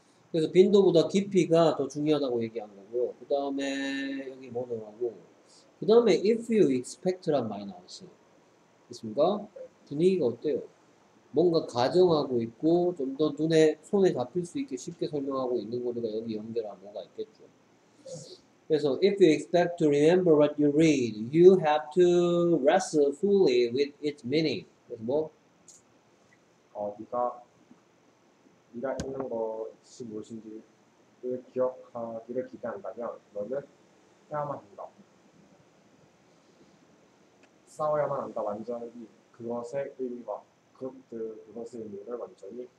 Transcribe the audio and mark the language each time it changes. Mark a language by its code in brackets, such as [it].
[ko] 그래서 빈도보다 깊이가 더 중요하다고 얘기한 거고요. 그 다음에 여기 뭐더라고. 그 다음에 [en] if you expect [ko] 란 말이 나왔어요. 됐습니까? 분위기가 어때요? 뭔가 가정하고 있고 좀 더 눈에 손에 잡힐 수 있게 쉽게 설명하고 있는 거니까 여기 연결한 뭐가 있겠죠. [en] 그래서 if you expect to remember what you read, you have to wrestle fully with its meaning. [ko] 그래서 뭐? 네가 읽는 것이 무엇인지를 기억하기를 기대한다면 너는 해야만 한다. 싸워야만 한다. 완전히 그것의 의미와 그것들 그것의 의미를 완전히